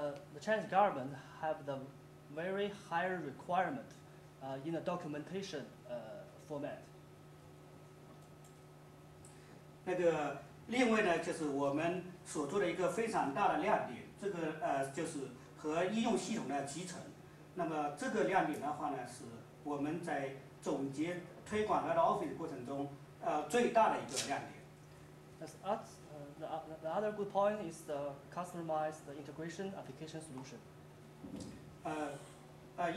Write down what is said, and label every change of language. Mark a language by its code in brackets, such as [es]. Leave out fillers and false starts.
[en] The Chinese government have the very high requirement, in the documentation, format. [zh] 那个另外呢，就是我们所做的一个非常大的亮点，这个就是和应用系统的集成。那么这个亮点的话呢，是我们在 总结推广的 Office 过程中最大的一个亮点。 [en] The other good point is the customized the integration application solution.